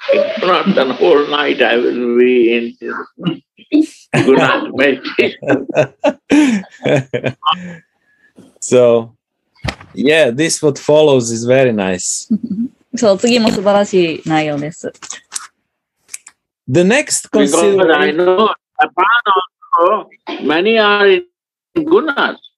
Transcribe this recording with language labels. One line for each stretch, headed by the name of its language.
English: If not, then whole night I will be in this. Good night, mate. So, yeah, this what follows is very nice.
Japanese: So, 次も素晴らしい内容です。
English: The next concern. Because I know Japan also, many are in Gunas.